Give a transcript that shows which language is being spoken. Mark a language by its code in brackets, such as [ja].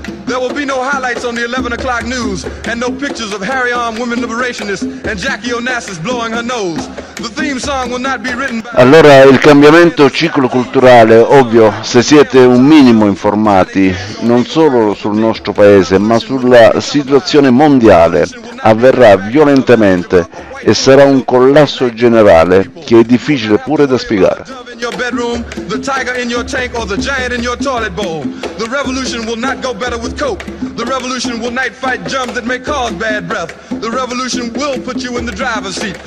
[en] There will be no highlights on the 11 o'clock news and no pictures of Harry Arm, women liberationists and Jackie Onassis blowing her nose. The theme song will not be written. [it] Allora il cambiamento ciclo-culturale, ovvio, se siete un minimo informati, non solo sul nostro paese, ma sulla situazione mondiale, avverrà violentemente e sarà un collasso generale che è difficile pure da spiegare. [en] Your bedroom, the tiger in your tank or the giant in your toilet bowl. The revolution will not go better with coke. The revolution will not fight germs that may cause bad breath. The revolution will put you in the driver's seat.